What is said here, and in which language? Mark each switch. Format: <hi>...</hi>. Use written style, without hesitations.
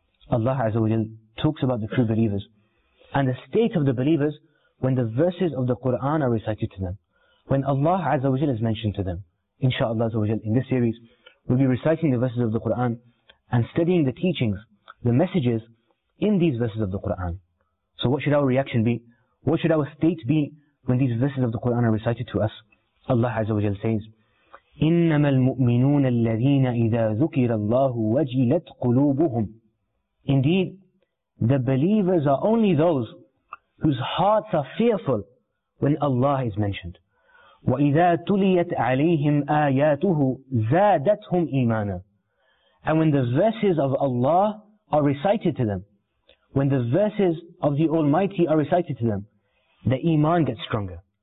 <en>Allah Azza wa Jal talks about the true believers and the state of the believers when the verses of the Quran are recited to them, when Allah Azza wa Jal is mentioned to them. InshaAllah Azza wa Jal, in this series, we'll be reciting the verses of the Quran and studying the teachings, the messages in these verses of the Quran. So what should our reaction be? What should our state be when these verses of the Quran are recited to us?</en> <ar>Allah Azza wa Jal says, إِنَّمَا الْمُؤْمِنُونَ الَّذِينَ إِذَا ذُكِرَ اللَّهُ وَجِلَتْ قُلُوبُهُمْ.</ar> <en>Indeed, the believers are only those whose hearts are fearful when Allah is mentioned.</en> <ar>وَإِذَا تُلِيَتْ عَلَيْهِمْ آيَاتُهُ زَادَتْهُمْ إِيمَانًا.</ar> <en>And when the verses of Allah are recited to them, when the verses of the Almighty are recited to them, the iman gets stronger.</en>